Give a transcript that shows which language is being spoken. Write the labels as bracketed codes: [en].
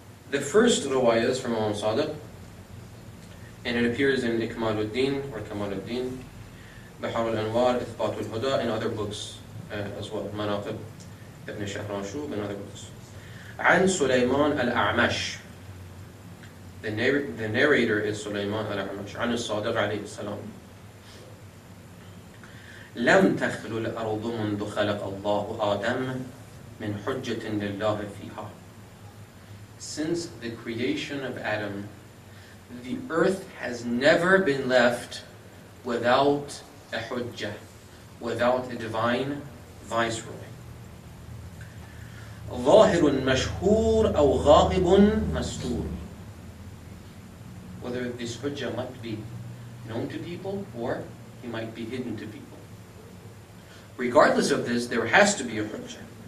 [en] The first riwayah is from Imam Sadiq, and it appears in Ikmaluddin or Kamaluddin, Bahar al-Anwar, Ithbatul Huda, and other books as well, Manaqib ibn Shahran Shub, and other books. An Sulaiman al-A'mash. The narrator is Sulaiman al-A'mash. [ar] An al-Sadiq alayhi salam. لم تخل الأرض منذ خلق الله آدم من حجة لله فيها. [en] Since the creation of Adam, the earth has never been left without a hujjah, without a divine viceroy. [ar] ظاهر مشهور أو غائب مستور. [en] Whether this hujjah might be known to people or he might be hidden to people. Regardless of this, there has to be a hujjah.